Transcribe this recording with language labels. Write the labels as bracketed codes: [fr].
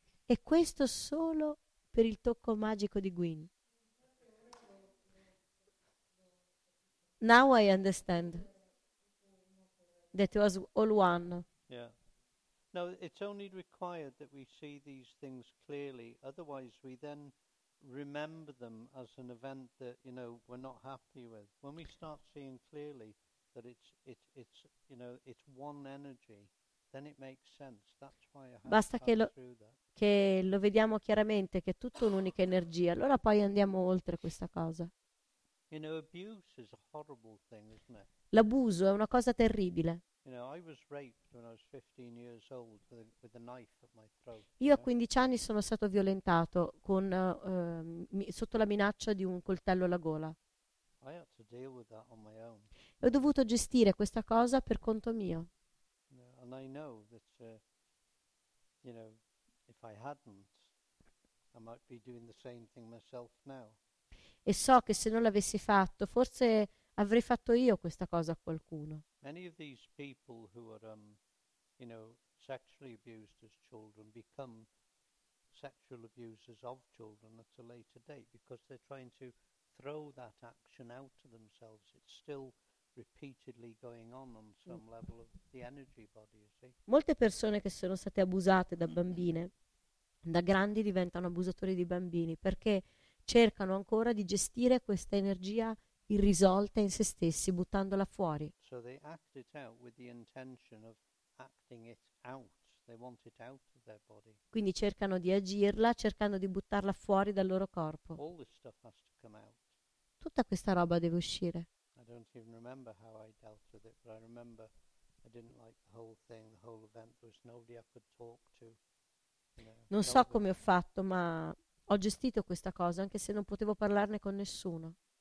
[it] E questo solo per il tocco magico di Queen. [en] Now I understand that it was all one. Yeah. No, it's only required that we see these things clearly. Otherwise we then remember them as an event that, you know, we're not happy with. When we start seeing clearly that it's you know, it's one energy, then it makes sense. That's why I have. [it] Basta che lo vediamo chiaramente che è tutta un'unica energia, allora poi andiamo oltre questa cosa. [en] You know, abuse is a horrible thing, isn't it? [it] L'abuso è una cosa terribile. [en] You know, I was raped when I was 15 years old with a knife at my throat. [it] Io a 15 anni sono stato violentato con sotto la minaccia di un coltello alla gola. [en] I had to deal with that on my own. [it] Ho dovuto gestire questa cosa per conto mio. [en] And I know that, you know, if I hadn't, I might be doing the same thing myself now. [it] E so che se non l'avessi fatto, forse avrei fatto io questa cosa a qualcuno. [en] Many of these people who are, you know, sexually abused as children become sexual abusers of children at a later date because they're trying to throw that action out to themselves. It's still repeatedly going on some level of the energy body, you see? [it] Molte persone che sono state abusate da bambine, da grandi diventano abusatori di bambini perché cercano ancora di gestire questa energia irrisolta in se stessi, buttandola fuori. [en] So they act it out with the intention of acting it out. They want it out of their body. [it] Quindi cercano di agirla, cercando di buttarla fuori dal loro corpo. [en] All this stuff has to come out. [it] Tutta questa roba deve uscire. [en] I don't even remember how I dealt with it, but I remember I didn't like the whole thing, the whole event. There was nobody I could talk to. You know, [it] non so come ho fatto, ma ho gestito questa cosa anche se non potevo parlarne con nessuno.